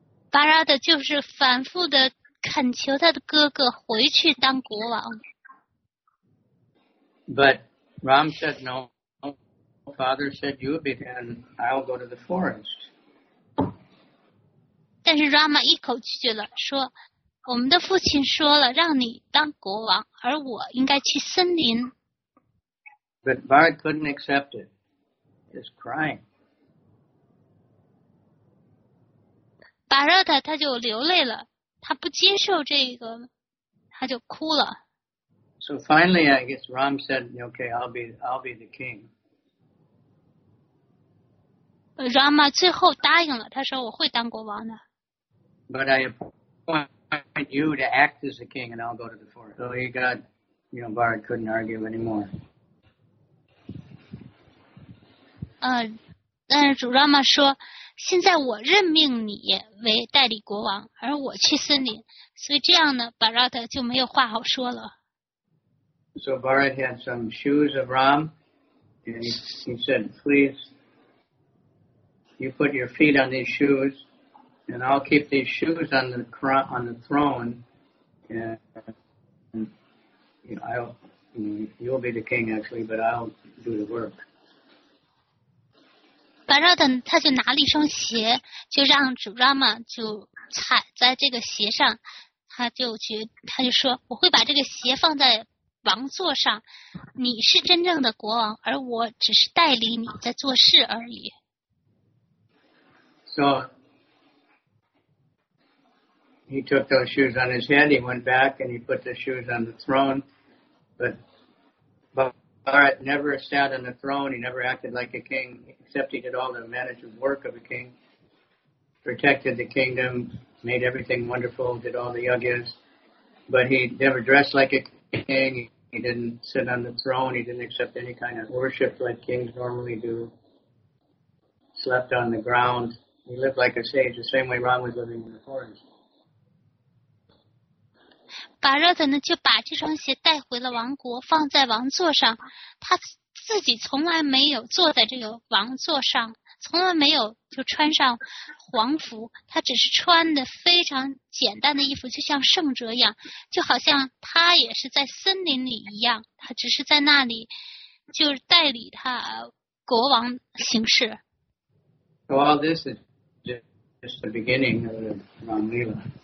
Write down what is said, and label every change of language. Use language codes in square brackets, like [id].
[zh] Bharat 就是反复的恳求他的哥哥回去当国王。 [en] But Ram said no. Father said you'll be there and I'll go to the forest. [zh] 但是 Rama 一口拒绝了，说我们的父亲说了让你当国王，而我应该去森林。 [en] But Bharat couldn't accept it. He's crying. [zh] Bharat 他就流泪了，他不接受这个，他就哭了。 [en] So finally, I guess Ram said, "Okay, I'll be the king." [zh] Rama 最后答应了，他说我会当国王的。 [en] But I appoint you to act as the king, and I'll go to the forest. So he got, you know, Bharat couldn't argue anymore. [zh] 但是主拉玛说现在我任命你为代理国王，而我去森林，所以这样呢巴拉特就没有话好说了。 [en] So Bharat had some shoes of Ram, and he said, please, you put your feet on these shoes, and I'll keep these shoes on the throne, and you'll be the king actually, but I'll do the work. [zh] 巴拉特他就拿了一双鞋，就让主拉玛就踩在这个鞋上，他就说我会把这个鞋放在王座上，你是真正的国王，而我只是代理你在做事而已。 [en] So he took those shoes on his head. He went back and he put the shoes on the throne. But Bharat never sat on the throne. He never acted like a king. Except he did all the management work of a king, protected the kingdom, made everything wonderful, did all the yagyas. But he never dressed like a king. He didn't sit on the throne. He didn't accept any kind of worship like kings normally do. Slept on the ground. He lived like a sage, the same way Ram was living in the forest. [zh] Bharat 呢就把这双鞋带回了王国，放在王座上。他自己从来没有坐在这个王座上，从来没有就穿上皇服，他只是穿的非常简单的衣服，就像圣者一样，就好像他也是在森林里一样，他只是在那里就是代理他国王行事。 [en] So all this is just the beginning of the Ramlila.